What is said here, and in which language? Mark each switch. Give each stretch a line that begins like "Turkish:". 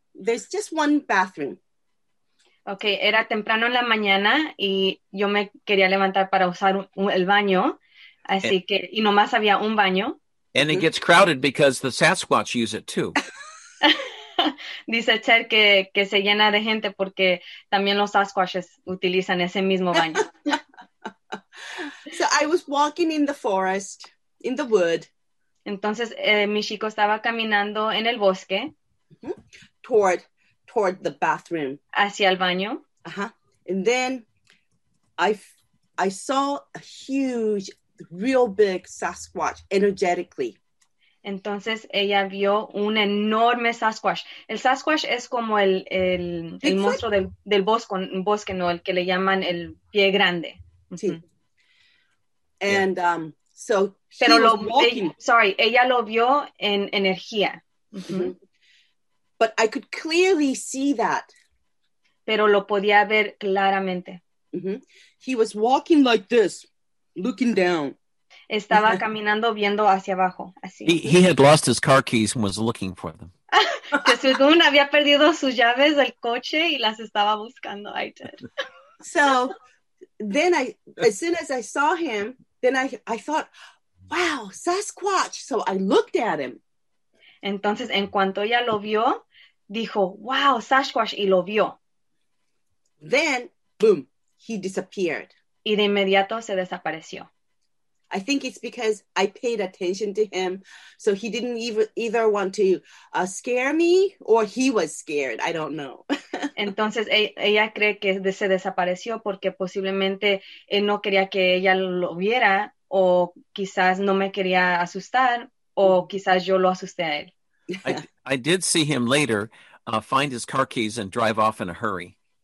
English: There's just one bathroom.
Spanish: Okay, era temprano en la mañana y yo me quería levantar para usar el baño, así que, y nomás había un baño.
English: And it gets crowded because the Sasquatch use it too.
Spanish: Dice Ted que se llena de gente porque también los Sasquatches utilizan ese mismo baño.
English: So I was walking in the forest, in the wood.
Spanish: Entonces, mi chico estaba caminando en el bosque.
English: Toward the bathroom.
Spanish: Hacia el baño. Uh-huh.
English: And then I saw a huge, real big Sasquatch energetically.
Spanish: Entonces ella vio un enorme Sasquatch. El Sasquatch es como el monstruo del bosque, ¿no? El que le llaman el pie grande.
English: Mm-hmm. Sí. And yeah. So
Spanish: pero lo ella lo vio en energía. Mm-hmm. Mm-hmm.
English: But I could clearly see that.
Spanish: Pero lo podía ver claramente.
English: Mm-hmm. He was walking like this, looking down.
Spanish: Estaba caminando viendo hacia abajo, así.
English: He had lost his car keys and was looking for them.
Spanish: Según había perdido sus llaves del coche y las estaba buscando.
English: I did. So then as soon as I saw him, then I thought, wow, Sasquatch. So I looked at him.
Spanish: Entonces, en cuanto ella lo vio, dijo, wow, Sasquatch, y lo vio.
English: Then, boom, he disappeared.
Spanish: Y de inmediato se desapareció.
English: I think it's because I paid attention to him, so he didn't either want to scare me, or he was scared, I don't know.
Spanish: Entonces, ella cree que se desapareció porque posiblemente él no quería que ella lo viera, o quizás no me quería asustar. O quizás yo lo asusté a él.
English: I did see him later find his car keys and drive off in a hurry.